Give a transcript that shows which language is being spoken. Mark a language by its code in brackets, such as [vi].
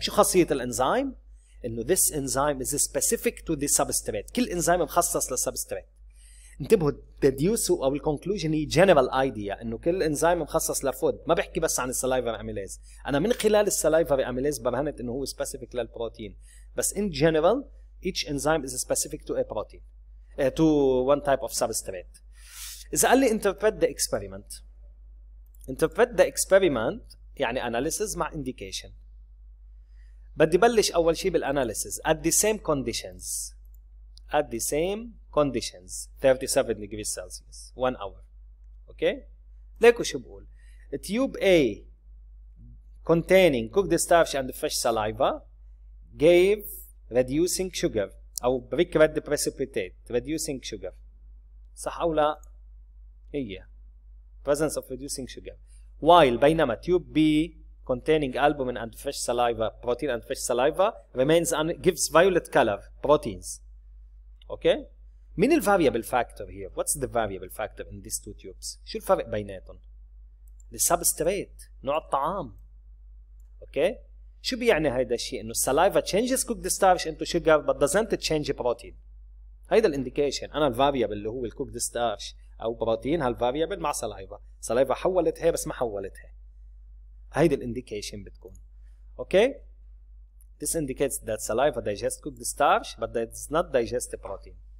[ar] شو خاصية الانزيم؟ انه [en] this enzyme is specific to the substrate. [ar] كل انزيم مخصص للسبستريت. انتبهوا deduce او الconclusion هي general idea انه كل انزيم مخصص لفود، ما بحكي بس عن السلايفري اميليز، انا من خلال السلايفري اميليز برهنت انه هو specific للبروتين، بس [en] in general each enzyme is specific to a protein to one type of substrate. [ar] اذا قال لي [en] interpret the experiment. Interpret the experiment يعني analysis مع indication. [ar] بدي بلش اول شيء بالanalysis at the same conditions. [en] At the same conditions, 37 degrees Celsius, 1 hour. Okay? [ar] ليكو شو بقول. [en] Tube A containing cooked starch and fresh saliva gave reducing sugar أو pre-cured precipitate, reducing sugar. [ar] صح أو لا؟ هي. [en] Presence of reducing sugar. While بينما tube B containing albumin and fresh saliva, protein and fresh saliva remains and gives violet color, proteins. [ar] اوكي مين الفاريبل فاكتور هير؟ [en] What's the variable factor in this two tubes? [ar] شو الفرق بيناتهم؟ السبستريت، نوع الطعام. اوكي شو بيعني هيدا الشيء؟ انه السلايفا تشينجز كوكد ستارش انتو شوجر بس دزنت تشينج بروتين. هيدا الانديكيشن. انا الفاريبل اللي هو الكوكد ستارش او بروتين هالفاريبل مع سلايفا، سلايفا حولتها بس ما حولتها. هيدا الانديكيشن بتكون. [en] Okay This indicates that saliva digests cooked starch, but that does not digest the protein.